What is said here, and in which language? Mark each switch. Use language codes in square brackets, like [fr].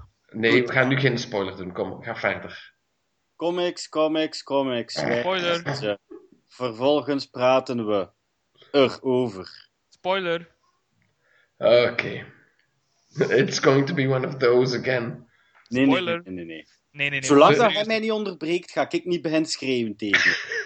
[nl] Nee, we gaan nu geen spoiler doen. Kom, ga verder. Comics. Spoiler. Vervolgens praten we erover. Spoiler. Oké. [en] It's going to be one of those again. [nl] Spoiler. Nee. Zolang dat hij mij niet onderbreekt, ga ik niet beginnen schreeuwen tegen.